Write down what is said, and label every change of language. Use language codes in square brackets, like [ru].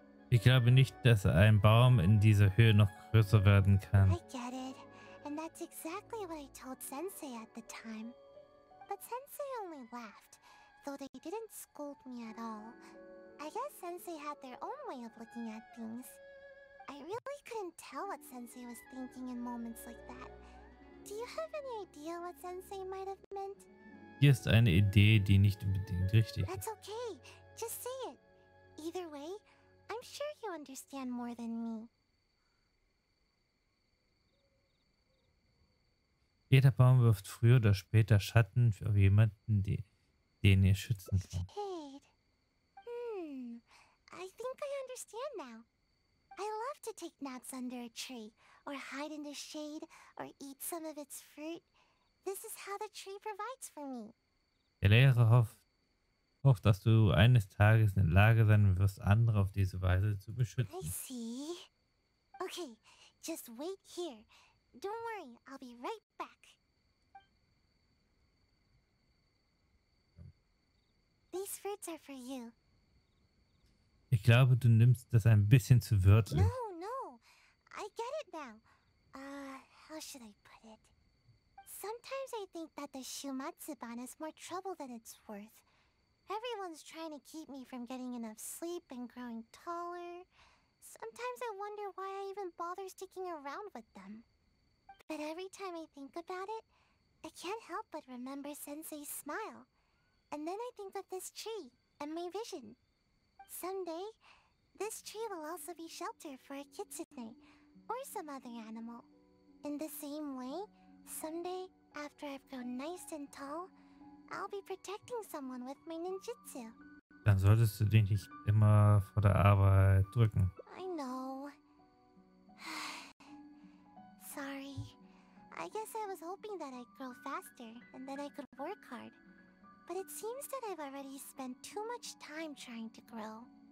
[de] Ich glaube nicht, dass ein Baum in dieser Höhe noch größer werden kann. [en] I get it. And that's exactly what I told Sensei at the time. But Sensei only laughed, though they didn't scold me at all. I guess Sensei had their own way of looking at things. I really couldn't tell what Sensei was thinking in moments like that. Do you have any idea what Sensei might have meant? [de] Hier ist eine Idee, die nicht unbedingt richtig ist. [en] That's okay. Just say it. Either way, I'm sure you understand more than me. [de] Jeder Baum wirft früher oder später Schatten auf jemanden, den ihr schützen kann. [en] Shade. I think I understand now. I love to take naps under a tree, or hide in the shade, or eat some of its fruit. This is how the tree provides for me. [de] Der Lehrer hofft, dass du eines Tages in der Lage sein wirst, andere auf diese Weise zu beschützen. [en] I see. Okay, just wait here. Don't worry, I'll be right back. These fruits are for you. [de] Ich glaube, du nimmst das ein bisschen zu wörtlich. [en] No, no. I get it now. How should I put it? Sometimes I think that the Shumatsuban is more trouble than it's worth. Everyone's trying to keep me from getting enough sleep and growing taller. Sometimes I wonder why I even bother sticking around with them. But every time I think about it, I can't help but remember Sensei's smile. And then I think of this tree and my vision. Someday, this tree will also be shelter for a kitsune or some other animal. In the same way, someday, after I've grown nice and tall, I'll be protecting someone with my ninjutsu. [de] Dann solltest du dich nicht immer vor der Arbeit drücken. [en] I know. Sorry. I guess I was hoping that I'd grow faster and that I could work hard. But it seems that I've already spent too much time trying to grow.